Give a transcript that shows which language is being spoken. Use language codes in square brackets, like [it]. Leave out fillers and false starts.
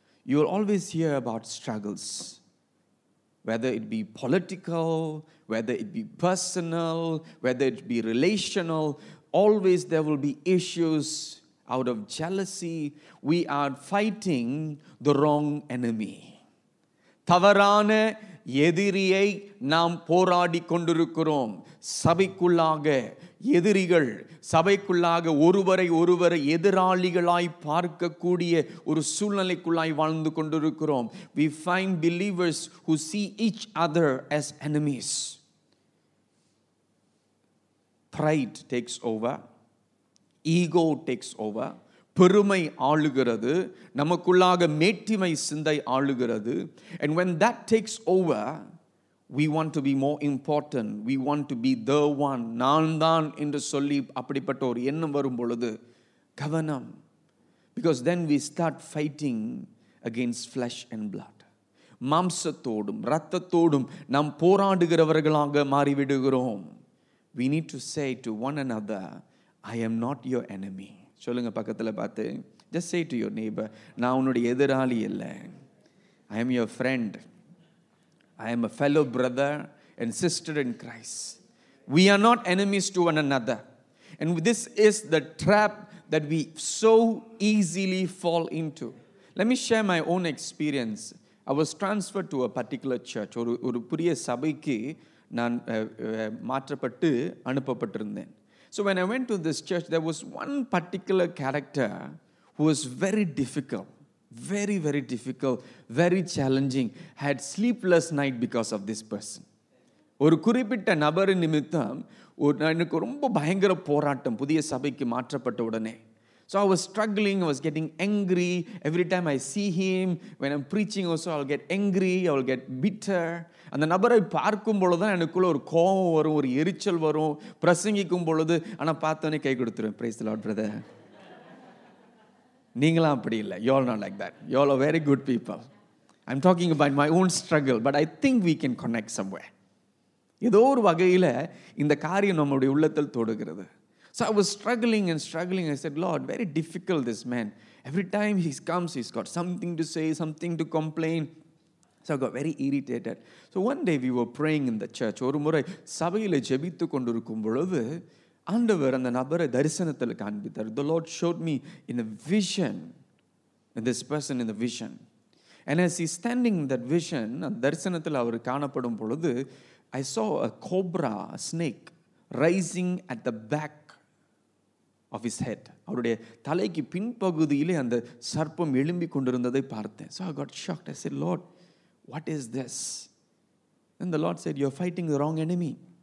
[en] You will always hear about struggles, whether it be political, whether it be personal, whether it be relational. Always there will be issues out of jealousy. We are fighting the wrong enemy. [ta] Thavarana எதிரியை நாம் போராடி கொண்டிருக்கிறோம். சபைக்குள்ளாக எதிரிகள், சபைக்குள்ளாக ஒருவரை ஒருவரை எதிராளிகளாய் பார்க்கக்கூடிய ஒரு சூழ்நிலைக்குள்ளாய் வாழ்ந்து கொண்டிருக்கிறோம். [en] We find believers who see each other as enemies. Pride takes over. Ego takes over. [ta] பெருமை ஆளுகிறது. நமக்குள்ளாக மேட்டிமை சிந்தை ஆளுகிறது. [en] And when that takes over, we want to be more important. We want to be the one. [ta] நான் தான் என்று சொல்லி அப்படிப்பட்ட ஒரு எண்ணம் வரும் பொழுது கவனம். [en] Because then we start fighting against flesh and blood. [ta] மாம்சத்தோடும் ரத்தத்தோடும் நாம் போராடுகிறவர்களாக மாறிவிடுகிறோம். [en] We need to say to one another, I am not your enemy. [ta] சொல்லுங்க பக்கத்தில் பார்த்து, [en] just say to your neighbor, [ta] நான் உன்னுடைய எதிராளி இல்லை, [en] I am your friend, I am a fellow brother and sister in Christ. We are not enemies to one another. And this is the trap that we so easily fall into. Let me share my own experience. I was transferred to a particular church. [ta] ஒரு புதிய சபைக்கு நான் மாற்றப்பட்டு அனுப்பப்பட்டிருந்தேன். [en] So when I went to this church, there was one particular character who was very difficult, very, very difficult, very challenging. Had sleepless night because of this person. [ta] ஒரு குறிப்பிட்ட நபரின் நிமித்தம் எனக்கு ரொம்ப பயங்கர போராட்டம் புதிய சபைக்கு மாற்றப்பட்ட உடனே. [en] So I was struggling, I was getting angry. Every time I see him, when I'm preaching also, I'll get angry, I'll get bitter. [ta] அந்த நபரை பார்க்கும் பொழுது தான் எனக்குள்ளே ஒரு கோபம் வரும், ஒரு எரிச்சல் வரும். பிரசங்கிக்கும் பொழுது ஆனால் பார்த்தோன்னே கை கொடுத்துருவேன். [en] Praise the Lord brother. [ta] நீங்களாம் அப்படி இல்லை. [en] You are not like that. You are very good people. I am talking about my own struggle, but I think we can connect somewhere. [ta] ஏதோ ஒரு வகையில் இந்த காரியம் நம்மளுடைய உள்ளத்தில் தொடுகிறது. [en] So I was struggling and struggling. I said, Lord, very difficult this man. Every time he comes, he's got something to say, something to complain. So I got very irritated. So one day we were praying in the church. [ta] ஒரு முறை சபையில் ஜெபித்து கொண்டிருக்கும் பொழுது ஆண்டவர் அந்த நபரை தரிசனத்தில் காண்பித்தார். [en] The Lord showed me in a vision, and this person in the vision. And as he's standing in that vision, [ta] அந்த தரிசனத்தில் அவர் காணப்படும் பொழுது, [en] I saw a cobra, a snake, rising at the back of his head. [ta] அவருடைய தலைக்கு பின்பகுதியிலே அந்த சர்ப்பம் எழும்பி கொண்டிருந்ததை பார்த்தேன். [en] So I got shocked. I said, Lord, what is this? Then the Lord said, you're fighting the wrong enemy.